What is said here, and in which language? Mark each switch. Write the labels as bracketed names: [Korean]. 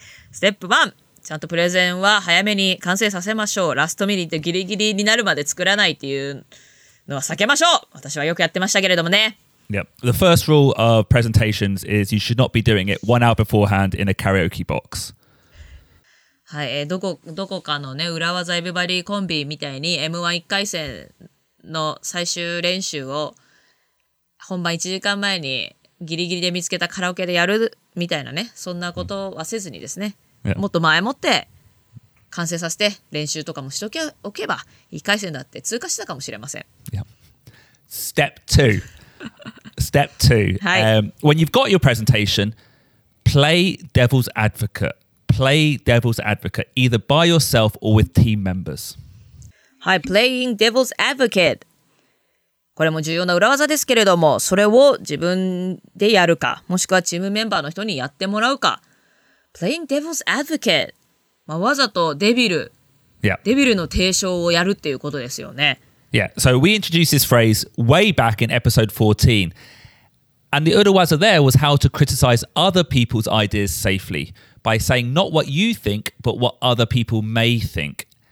[Japanese] ステップ1、ちゃんとプレゼンは早めに完成させましょう。ラストミニットギリギリになるまで作らないっていうのは避けましょう。私はよくやってましたけれどもね。 [English] Yep. The first rule of presentations is you should not be doing it one hour beforehand in a karaoke box. [Japanese] はい、どこかのね、裏技エビバリーコンビみたいに M1 回戦の最終練習を本番1時間前にギリギリで見つけたカラオケでやるみたいなね、そんなことはせずにですね、yeah. もっと前もって完成させて練習とかもしておけば1回戦だって通過したかもしれません。 [English] Step 2 Step 2 When you've got your presentation, play devil's advocate. Play devil's advocate either by yourself or with team members. [Japanese] はい、 [English] playing devil's advocate、 [Japanese] これも重要な裏技ですけれども、それを自分でやるか、もしくはチームメンバーの人にやってもらうか。 [English] Playing Devil's Advocate、 [Japanese] まあ、わざとデビル、 [English] yeah. [Japanese] デビルの提唱をやるっていうことですよね。 [English] Yeah, so we introduced this phrase way back in episode 14. And the Urawaza there was how to criticize other people's ideas safely by saying not what you think, but what other people may think.